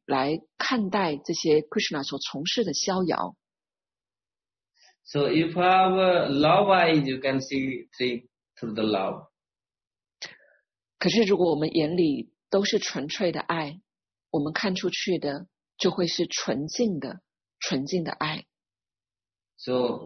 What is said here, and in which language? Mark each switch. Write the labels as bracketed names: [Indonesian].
[Chinese] 我们内心是什么，我们看出去的就是什么。所以，如果我们是充满了，就是我们心中充满了物质的欲望，那么我们无论看到什么，我们都会以这种物质的眼光，这种色欲来看待这些 Krishna 所从事的逍遥。 [English] So if you have love eyes, you can see through the love. [Chinese] 可是如果我们眼里都是纯粹的爱，我们看出去的就会是纯净的爱。So